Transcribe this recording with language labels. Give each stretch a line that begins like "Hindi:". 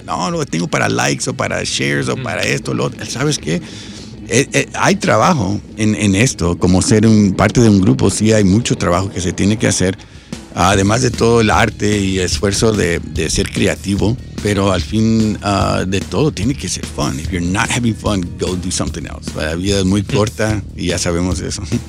Spanish: No, lo tengo para likes o para shares o para esto, lo otro. ¿Sabes qué? Hay trabajo en esto, como ser parte de un grupo, sí hay mucho trabajo que se tiene que hacer, además de todo el arte y esfuerzo de ser creativo, pero al fin de todo tiene que ser fun.
English: If you're not having fun, go do something else.
Spanish: La vida es muy corta y ya sabemos eso.